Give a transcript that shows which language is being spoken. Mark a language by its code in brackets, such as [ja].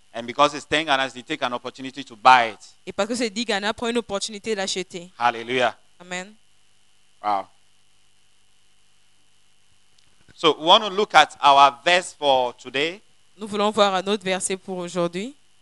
[en] And because it's 10 Ghana, they take an opportunity to buy it. [fr] Et parce que c'est 10 Ghana, prend une opportunité d'acheter. Hallelujah. Amen. Wow. [en] So we want to look at our verse for today. [fr] Nous voulons voir un autre verset pour aujourd'hui.